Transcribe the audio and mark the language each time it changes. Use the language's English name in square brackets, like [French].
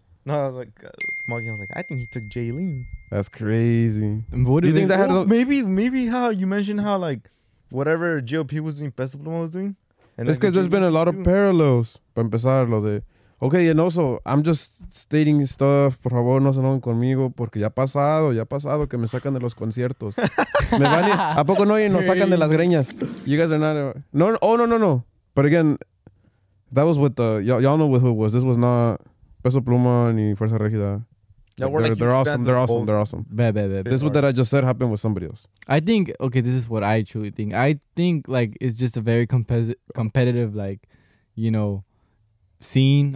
[English] No, I was like, Morgan was like, I think he took Jaylene. That's crazy. What do you think that had? Maybe how you mentioned how like whatever JOP was doing, Peso Pluma was doing. And it's because there's been a lot of parallels. [Spanish] Para empezar lo de, [English] okay, and also I'm just stating stuff. [Spanish] Por favor, no se enojen conmigo porque ya pasado que me sacan de los conciertos. Me vale. A poco no y nos sacan de las greñas. [English] You guys are not. No. But again, that was with the y'all know with who it was. This was not Peso Pluma ni Fuerza Regida. They're awesome. This is what I just said happened with somebody else. I think, okay, this is what I truly think. I think, like, it's just a very competitive, like, you know, scene.